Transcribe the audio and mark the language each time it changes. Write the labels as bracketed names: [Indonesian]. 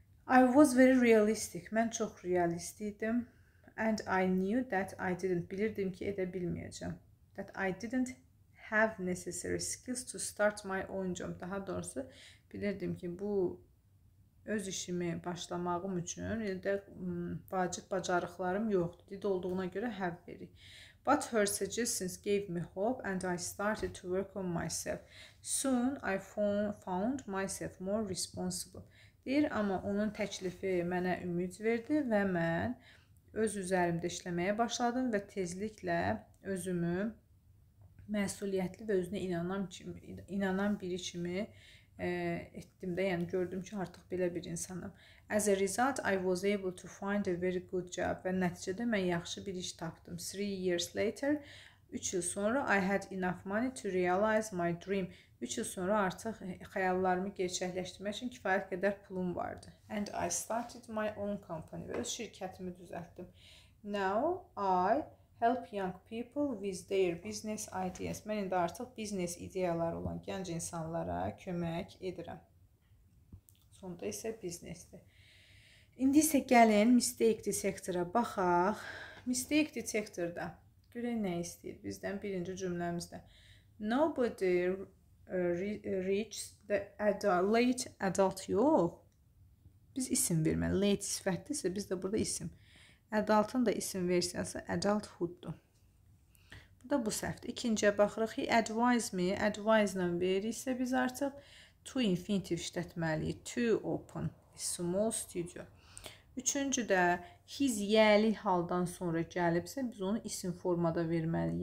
[English] I was very realistic, [Azerbaijani] mən çox realistiydim [English] and I knew that I didn't, [Azerbaijani] bilirdim ki, edə bilməyəcəm, [English] that I didn't have necessary skills to start my own job. [Azerbaijani] Daha doğrusu, bilirdim ki, bu öz işimi başlamağım üçün elə də vacib bacarıqlarım yoxdur, dedi olduğuna görə həv verir. [English] But her suggestions gave me hope and I started to work on myself. Soon I found myself more responsible. [Azerbaijani] Deyir, amma onun təklifi mənə ümid verdi və mən öz üzərimdə işləməyə başladım və tezliklə özümü məsuliyyətli və özünə inanan biri kimi etdim də, yəni gördüm ki, artıq belə bir insanım. [English] As a result, I was able to find a very good job [Azerbaijani] və nəticədə mən yaxşı bir iş tapdım. [English] 3 years later, [Azerbaijani] 3 il sonra, [English] I had enough money to realize my dream. [Azerbaijani] 3 il sonra artıq xəyallarımı gerçəkləşdirmək üçün kifayət qədər pulum vardı. [English] And I started my own company. [Azerbaijani] Və öz şirkətimi düzəltdim. [English] Now I help young people with their business ideas. [Azerbaijani] Mən indi artıq biznes ideyaları olan gənc insanlara kömək edirəm. Sonda isə biznesdir. İndi isə gəlin Mistake Detector'a baxaq. Mistake Detector'da görək nə istəyir bizdən birinci cümləmizdə. [English] Nobody reaches the late adult. [Azerbaijani] Yox. Biz isim verməli. Late sifətdirsə biz də burada isim. Adultın da isim versiyası adulthood-dur. Bu da bu səhvdir. İkinciyə baxırıq. [English] He advise me. [Azerbaijani] Advise ilə veririksə biz artıq to infinitive işlətməliyik. To open. Small studio. Üçüncü də his yəli haldan sonra gəlibsə biz onu isim formada verməli.